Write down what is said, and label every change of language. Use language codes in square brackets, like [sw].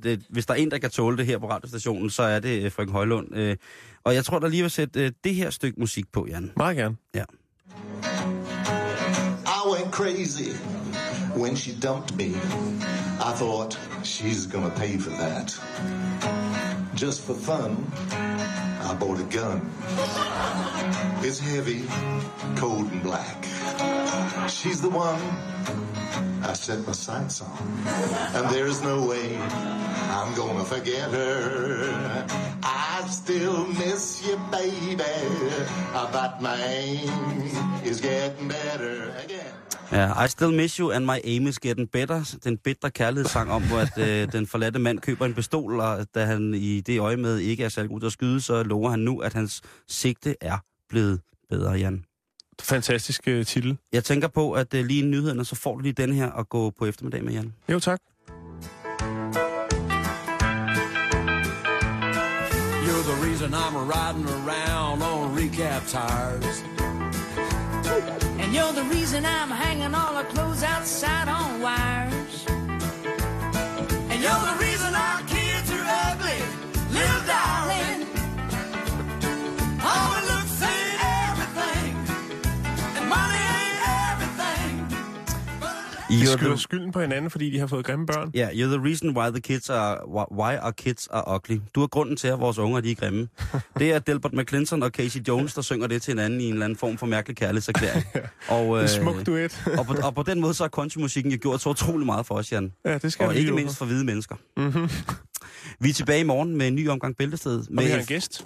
[da] hvis der er en, der kan tåle det her på radiostationen, så er det frøken Højlund. Og jeg tror, der lige vil sætte det her stykke musik på, Jan. Meget gerne. Ja. [en] I went crazy when she dumped me. I thought she's gonna pay for that. Just for fun, I bought a gun. It's heavy, cold and black. She's the one I set my sights on. And there's no way I'm gonna forget her. I still miss you, baby. But my aim is getting better again. Ja, I still miss you and my aim is getting better. [da] Den bitre kærlighedssang om, at den forladte mand køber en pistol, og da han i det øje med ikke er særlig god til at skyde, så lover han nu, at hans sigte er blevet bedre, Jan. Fantastisk titel. Jeg tænker på, at lige i nyhederne, så får du lige den her at gå på eftermiddag med, Jan. Jo, tak. [en] You're the reason I'm riding around on recap tires. You're the reason I'm hanging all the clothes outside on wires. And you're the reason our kids are ugly, little darling. All the looks ain't everything, and money ain't everything. [da] You skylder skylden på hinanden, fordi de har fået grimme børn. [en] Ja, yeah, you're the reason why our kids are ugly. [da] Du er grunden til, at vores unger de er grimme. Det er Delbert McClinton og Casey Jones, der synger det til hinanden i en eller anden form for mærkelig kærlighedserklæring. Og, en smuk duet. og på den måde, så har countrymusikken gjort så utrolig meget for os, Jan. Ja, det skal og ikke mindst for hvide mennesker. Mm-hmm. Vi er tilbage i morgen med en ny omgang Bæltested. Og vi har en gæst.